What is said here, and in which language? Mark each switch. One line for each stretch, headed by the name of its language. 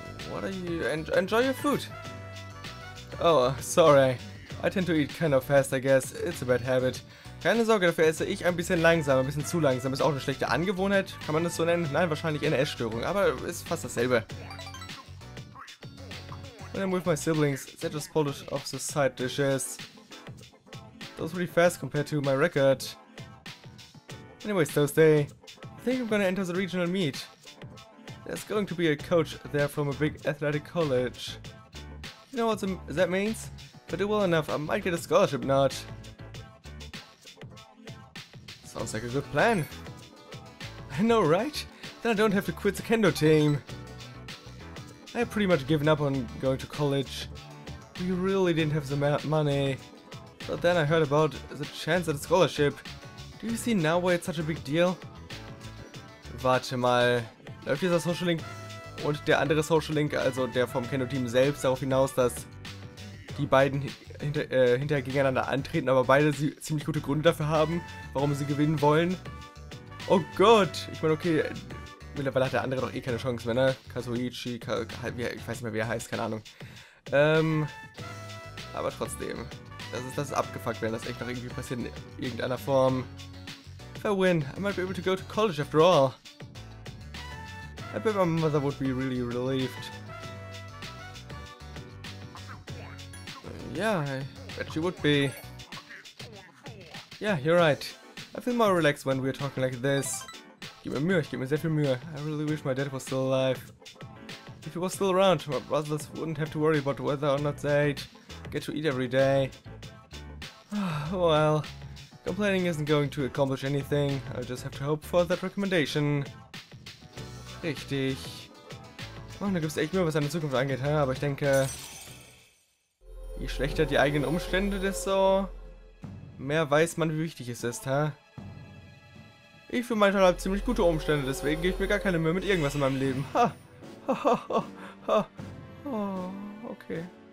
English: What are you... Enjoy your food. Oh, sorry. I tend to eat kind of fast, I guess. It's a bad habit.
German: Keine Sorge, dafür esse ich ein bisschen langsam, ein bisschen zu langsam. Ist auch eine schlechte Angewohnheit, kann man das so nennen? Nein, wahrscheinlich eine Essstörung, aber ist fast dasselbe.
English: When I'm with my siblings, they just pulled off the side dishes. That was really fast compared to my record. Anyways, Thursday, I think I'm gonna enter the regional meet. There's going to be a coach there from a big athletic college. You know what that means? If I do well enough, I might get a scholarship nod. Sounds like a good plan. I know, right? Then I don't have to quit the kendo team. I had pretty much given up on going to college. We really didn't have the money. But then I heard about the chance at a scholarship. Do you see now why it's such a big deal?
German: Warte mal. Läuft dieser Social Link und der andere Social Link, also der vom Kendo Team selbst, darauf hinaus, dass die beiden hinterher gegeneinander antreten, aber beide sie ziemlich gute Gründe dafür haben, warum sie gewinnen wollen? Oh Gott! Ich meine, okay. Mittlerweile hat der andere doch eh keine Chance mehr, ne? Kazuichi, ich weiß nicht mehr, wie er heißt, keine Ahnung. Aber trotzdem. Das ist abgefuckt, wenn das echt noch irgendwie passiert in irgendeiner Form.
English: If I win, I might be able to go to college after all. I bet my mother would be really relieved. Yeah, I bet she would be. Yeah, you're right. I feel more relaxed when we're talking like this.
German: Ich gebe mir sehr viel Mühe.
English: I really wish my dad was still alive. If he was still around, my brothers wouldn't have to worry about whether or not they get to eat every day. Well, complaining isn't going to accomplish anything. I'll just have to hope for that recommendation.
German: Richtig. Oh, da gibt's echt Mühe, was deine Zukunft angeht, hein? Aber ich denke, je schlechter die eigenen Umstände, desto mehr weiß man, wie wichtig es ist, hä? Ich für meinen Teil habe ziemlich gute Umstände, deswegen gebe ich mir gar keine Mühe mit irgendwas in meinem Leben. Ha! Ha, ha, ha, ha. Oh, okay.